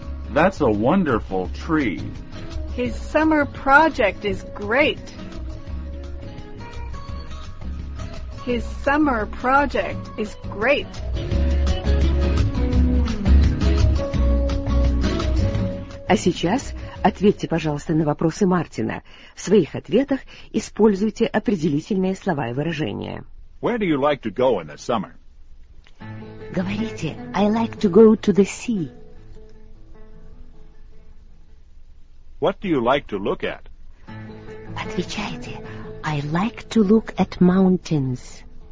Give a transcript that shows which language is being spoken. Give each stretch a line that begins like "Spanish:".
English: That's a wonderful tree. His summer project is great. His summer project is great.
Russian: А сейчас ответьте, пожалуйста, на вопросы Мартина. В своих ответах используйте определительные слова и выражения.
English: Where do you like to go in the summer?
Russian: Говорите,
English: I like to go to the sea. What do you like to look at?
Russian: Отвечайте,
English: I like to look at mountains.